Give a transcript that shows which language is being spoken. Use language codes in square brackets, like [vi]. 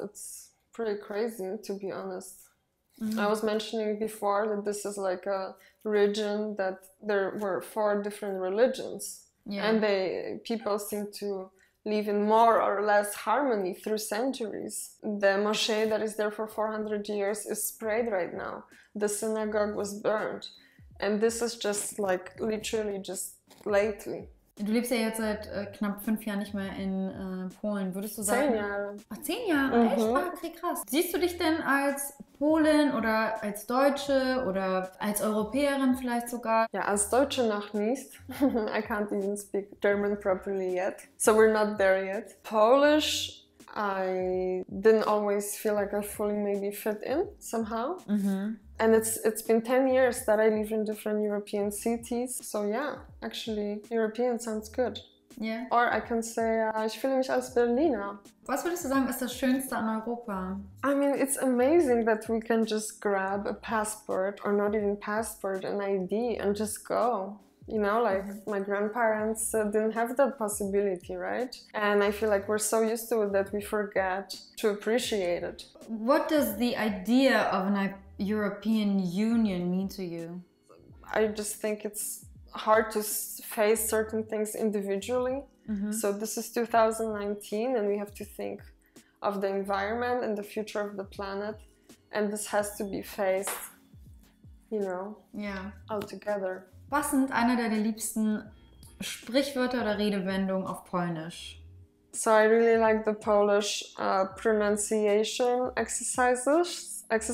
[en] It's pretty crazy, to be honest. Mm-hmm. I was mentioning before that this is like a region that there were four different religions. Yeah. And people seem to live in more or less harmony through centuries. The moshe that is there for 400 years is sprayed right now. The synagogue was burned. And this is just like literally just lately. [de] Du lebst ja jetzt seit knapp 5 Jahren nicht mehr in Polen, würdest du sagen? 10 Jahre. Ach, 10 Jahre? Mhm. Echt? Okay, krass. Siehst du dich denn als Polin oder als Deutsche oder als Europäerin vielleicht sogar? Ja, als Deutsche noch nicht. [en] I can't even speak German properly yet. So we're not there yet. Polish, I didn't always feel like I fully maybe fit in somehow. Mhm. And it's been 10 years that I live in different European cities. So yeah, actually, European sounds good. Yeah. Or I can say, [de] ich fühle mich als Berliner. Was würdest du sagen, ist das Schönste an Europa? [en] I mean, it's amazing that we can just grab a passport, or not even passport, an ID, and just go. You know, like my grandparents didn't have that possibility, right? And I feel like we're so used to it that we forget to appreciate it. What does the idea of an European Union mean to you? I just think it's hard to face certain things individually. Mm-hmm. So this is 2019 and we have to think of the environment and the future of the planet. And this has to be faced, you know, yeah, all together. [de] Was sind einer deiner liebsten Sprichwörter oder Redewendungen auf Polnisch? [en] So I really like the Polish pronunciation exercises.